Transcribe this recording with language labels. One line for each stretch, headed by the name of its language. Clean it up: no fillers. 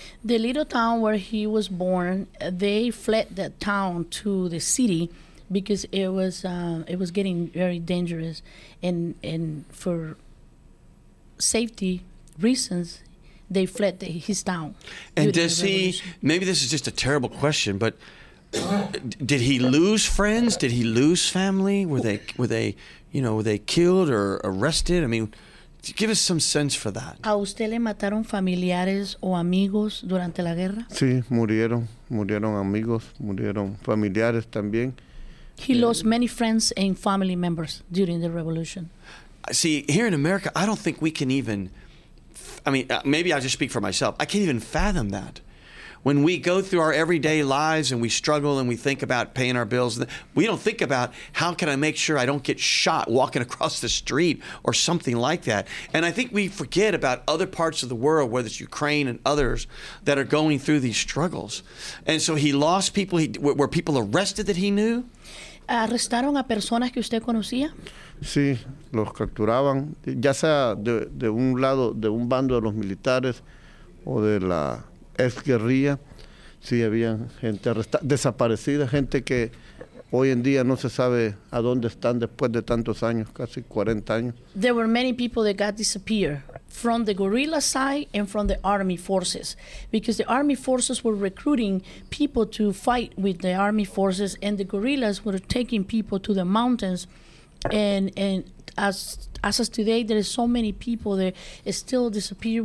English: The little town where he was born, they fled that town to the city because it was getting very dangerous, and for safety reasons, they fled his town. And does he, maybe this is just a terrible question, but did he lose friends? Did he lose family? Were they killed or arrested? I mean, give us some sense for that.
Spanish: ¿A usted le mataron familiares o amigos durante la guerra? Sí, murieron. Murieron amigos, murieron familiares también.
English: He lost many friends and family members during the revolution. See, here in America, I don't think we can even, maybe I'll just speak for myself. I can't even fathom that. When we go through our everyday lives and we struggle and we think about paying our bills, we don't think about how can I make sure I don't get shot walking across the street or something like that. And I think we forget about other parts of the world, whether it's Ukraine and others, that are going through these struggles. And so he lost people. Were people arrested that he knew?
Spanish: ¿Arrestaron a personas que usted conocía? Sí, los capturaban, ya sea de un lado, de un bando de los militares o de la ex guerrilla, sí, había gente desaparecida, gente que hoy en día no se sabe a dónde están después de tantos años, casi 40 años.
English: There were many people that got disappeared from the guerrilla side and from the army forces, because the army forces were recruiting people to fight with the army forces, and the guerrillas were taking people to the mountains. And as today, there are so many people that is still disappeared.